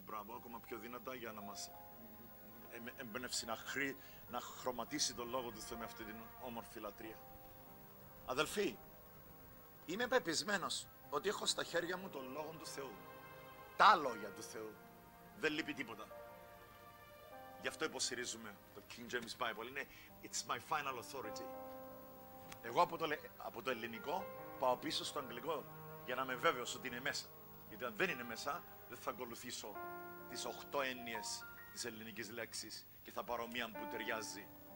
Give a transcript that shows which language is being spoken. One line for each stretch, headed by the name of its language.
Greek: Μπράβο, ακόμα πιο δυνατά για να μας εμπνεύσει, να χρωματίσει τον Λόγο του Θεού με αυτή την όμορφη λατρεία. Αδελφοί, είμαι πεπισμένος ότι έχω στα χέρια μου τον Λόγο του Θεού. Τα Λόγια του Θεού. Δεν λείπει τίποτα. Γι' αυτό υποστηρίζουμε το King James Bible. Είναι
English: It's my final authority.
Greek: Εγώ από το ελληνικό πάω πίσω στο αγγλικό για να είμαι βέβαιος ότι είναι μέσα. Γιατί αν δεν είναι μέσα, δεν θα ακολουθήσω τις 8 έννοιες της ελληνικής λέξης και θα πάρω μία που ταιριάζει.